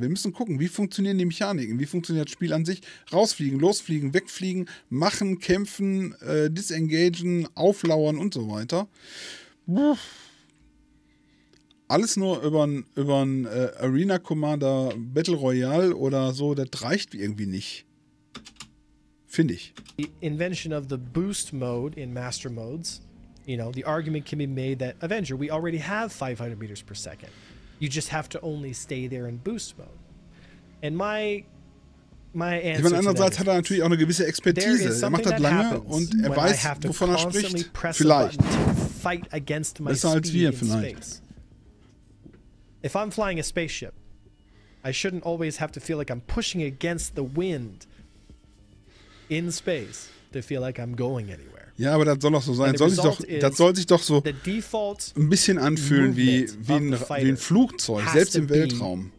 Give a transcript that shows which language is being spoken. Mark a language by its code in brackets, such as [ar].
[de] Wir müssen gucken, wie funktionieren die Mechaniken, wie funktioniert das Spiel an sich. Rausfliegen, losfliegen, wegfliegen, machen, kämpfen, disengagen, auflauern und so weiter. Alles nur über einen Arena Commander Battle Royale oder so, das reicht irgendwie nicht. Finde ich. [en] The invention of the boost mode in Master Modes, you know, the argument can be made that Avenger, we already have 500 meters per second. You just have to only stay there in boost mode. And my answer. [de] Ich meine, andererseits hat er natürlich auch eine gewisse Expertise. Er macht das lange und er weiß, wovon er spricht. Vielleicht. [en] Fight against my [de] besser als wir vielleicht. [en] Space. If I'm flying a spaceship, I shouldn't always have to feel like I'm pushing against the wind in space to feel like I'm going anywhere. [de] Ja, aber das soll doch so sein. Das soll sich doch so ein bisschen anfühlen wie ein Flugzeug, selbst im Weltraum.